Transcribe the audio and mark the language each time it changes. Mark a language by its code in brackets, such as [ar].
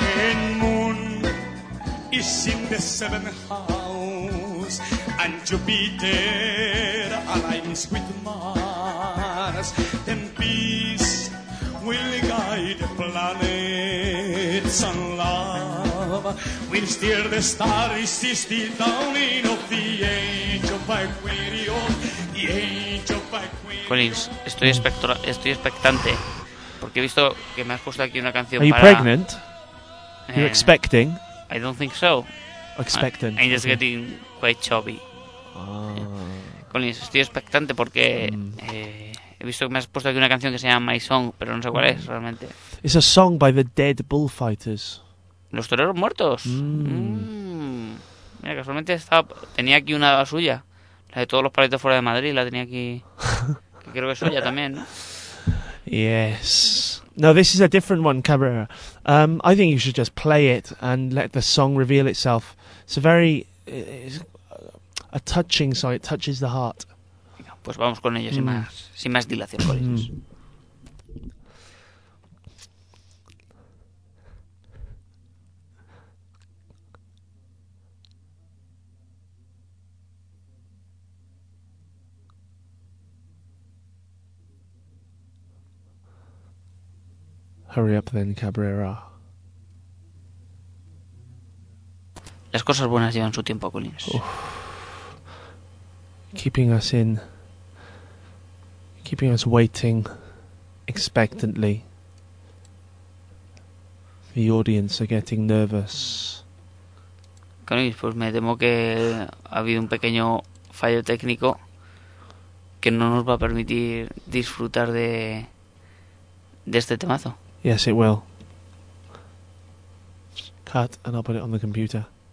[en] In moon is in the seventh house, and Jupiter aligns with Mars. Then peace will guide the planets, and love will steer the stars. Is the dawning of the age of Aquarius, the age of Aquarius. [es] Collins, estoy expectante, porque he visto que me has puesto aquí una canción. [en] Are you [es] para... [en] pregnant? You're expecting? I don't think so. Expectant. I'm just getting quite chubby. [es] Collins, estoy expectante porque he visto que me has puesto aquí una canción que se llama My Song, pero no sé cuál es realmente. [en] It's a song by the Dead Bullfighters. [es] ¿Los toreros muertos? Mira, casualmente estaba, tenía aquí una suya. La de todos los palitos fuera de Madrid, la tenía aquí. Que creo que es suya también, ¿no? [en] Yes. No, this is a different one, Cabrera. I think you should just play it and let the song reveal itself. It's a very... It's a touching song. It touches the heart. [es] Pues vamos con ello, sin más dilación, por [en] Hurry up then, Cabrera. [es] Las cosas buenas llevan su tiempo, Collins. [en] Keeping us in. Keeping us waiting expectantly. The audience are getting nervous. [es] Collins, pues me temo que ha habido un pequeño fallo técnico que no nos va a permitir disfrutar de este temazo. [en] Yes, it will. Cut, and I'll put it on the computer.